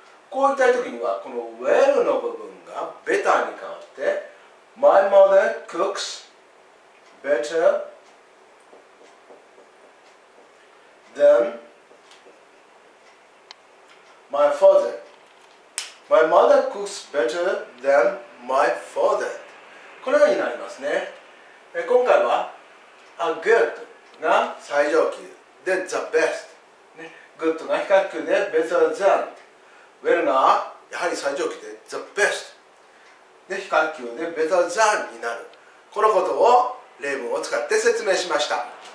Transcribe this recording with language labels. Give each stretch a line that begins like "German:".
Japanese: こういった時にはこの well の部分が better に変わって、
English: My mother cooks betterThen my father. My mother cooks better than my father.
Japanese: このようになりますね。今回は a good が最上級で the best、ね、good が比較級で better than、 well がやはり最上級で the best で比較級で better than になる、このことを例文を使って説明しました。